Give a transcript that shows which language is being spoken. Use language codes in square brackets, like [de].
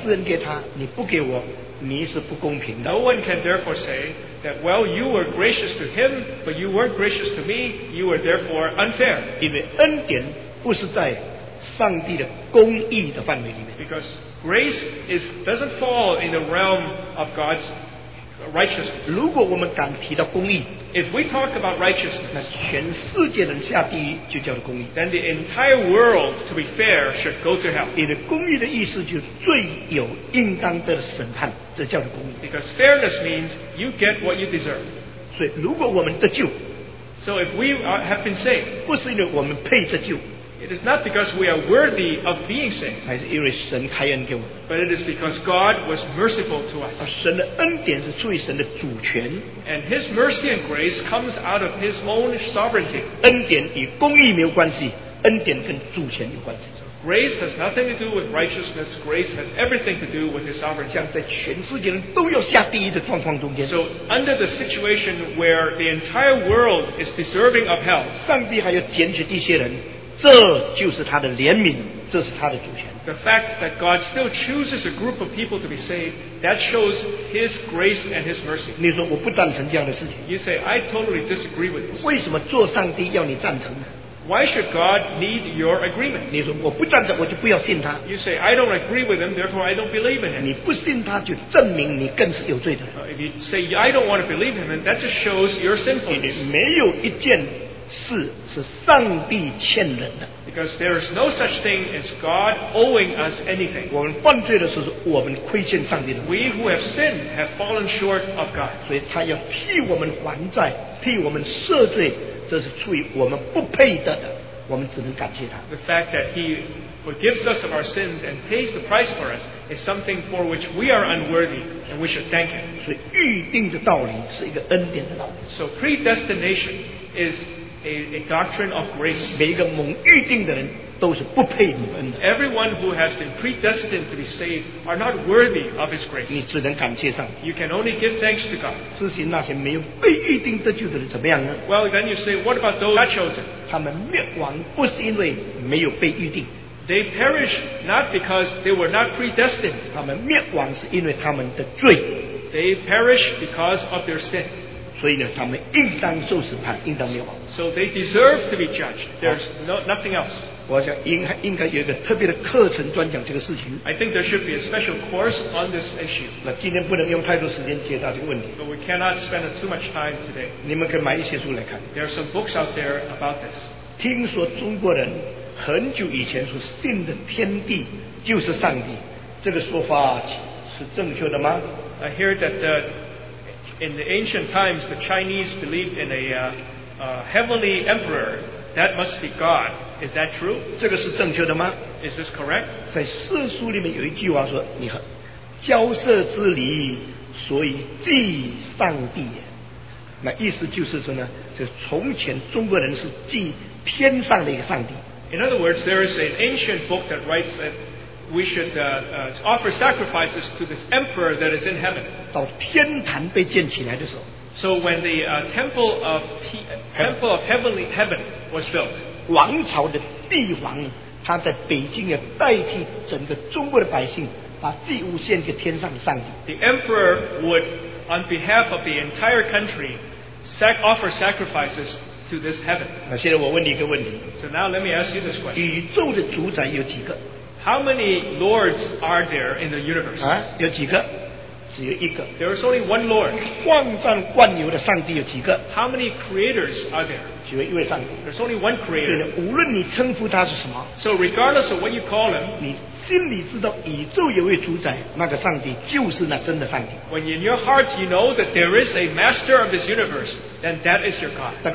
[zh] 没有一个人可以说，上帝啊，你既然施恩给他，你不给我，你是不公平的。 [en] No one can therefore say that, well, you were gracious to him, but you weren't gracious to me. You were therefore unfair. [zh] 因为恩典不是在上帝的公义的范围里面。 [en] Because grace doesn't fall in the realm of God's righteousness. [zh] 如果我们敢提到公义， [en] if we talk about righteousness, [zh] 那全世界人下地狱就叫做公义。 [en] Then the entire world, to be fair, should go to hell. [zh] 因为公义的意思就是罪有应当得的审判， 这叫做公义。 [en] Because fairness means you get what you deserve. [zh] 所以如果我们得救， [en] so if we have been saved, [zh] 不是因为我们配得救， [en] it is not because we are worthy of being saved, [zh] 还是因为神开恩给我们， [en] but it is because God was merciful to us. [zh] 而神的恩典是出于神的主权， [en] and His mercy and grace comes out of His own sovereignty. [zh] 恩典与公义没有关系， 恩典跟主权有关系。 [en] Grace has nothing to do with righteousness. Grace has everything to do with His sovereignty. So under the situation where the entire world is deserving of hell, [zh] 上帝还要拣选一些人， 这就是他的怜悯， [en] the fact that God still chooses a group of people to be saved, that shows His grace and His mercy. [zh] 你说我不赞成这样的事情。 [en] You say, I totally disagree with this. [zh] 为什么做上帝要你赞成呢？ [en] Why should God need your agreement? [zh] 你说我不赞成，我就不要信他。 [en] You say, I don't agree with him, therefore I don't believe in him. [zh] 你不信他就证明你更是有罪的。 [en] If you say, I don't want to believe in him, that just shows your sinfulness. [zh] 你没有一件 是上帝欠人的。 [en] Because there is no such thing as God owing us anything. [zh] 我们犯罪的时候是我们亏欠上帝的。 [en] We who have sinned have fallen short of God. [zh] 所以他要替我们还债， 替我们赦罪， 这是出于我们不配得的， 我们只能感谢他。 [en] The fact that He forgives us of our sins and pays the price for us is something for which we are unworthy, and we should thank Him. [zh] 所以预定的道理是一个恩典的道理。 [en] So predestination is a doctrine of grace. [zh] 每一个蒙预定的人都是不配蒙恩的。 [en] Everyone who has been predestined to be saved are not worthy of His grace. [zh] 你只能感谢上帝。 [en] You can only give thanks to God. [zh] 至于那些没有被预定得救的人怎么样呢？ [en] Well, then you say, what about those not chosen? [zh] 他们灭亡不是因为没有被预定。 [en] They perish not because they were not predestined. [zh] 他们灭亡是因为他们的罪. [en] They perish because of their sin. [zh] 所以呢，他们应当受审判，应当灭亡. [en] So they deserve to be judged. There's nothing else. [zh] 我想应该有一个特别的课程专讲这个事情. [en] I think there should be a special course on this issue. [zh] 那今天不能用太多时间解答这个问题. [en] But we cannot spend too much time today. [zh] 你们可以买一些书来看. [en] There are some books out there about this. [zh] 听说中国人很久以前说信的天地就是上帝, 这个说法是正确的吗? [en] I hear that in the ancient times, the Chinese believed in a heavenly emperor. That must be God. Is that true? [zh] 这个是正确的吗? [en] Is this correct? [zh] 在四书里面有一句话说, 你很骄奢之理, 所以祭上帝。那意思就是说呢, 这从前中国人是祭, [en] In other words, there is an ancient book that writes that we should offer sacrifices to this emperor that is in heaven. So when the temple of heavenly heaven was built, [zh] 王朝的帝王, 他在北京也代替整个中国的百姓把祭物献给天上的上帝。 [en] The emperor would, on behalf of the entire country, offer sacrifices to this heaven. [zh] 现在我问你一个问题, [en] so now let me ask you this question. [zh] 宇宙的主宰有几个? [en] How many lords are there in the universe? [zh] 啊, 有几个?只有一个。 [en] There is only one lord. [zh] 创造万有的上帝有几个? [en] How many creators are there? [zh] 只有一位上帝。 [en] There's only one creator. [zh] 对的, 无论你称呼他是什么, [en] so regardless of what you call him, [zh] 你心里知道宇宙有位主宰, 那个上帝就是那真的上帝。 [en] When in your heart you know that there is a master of this universe, then that is your God.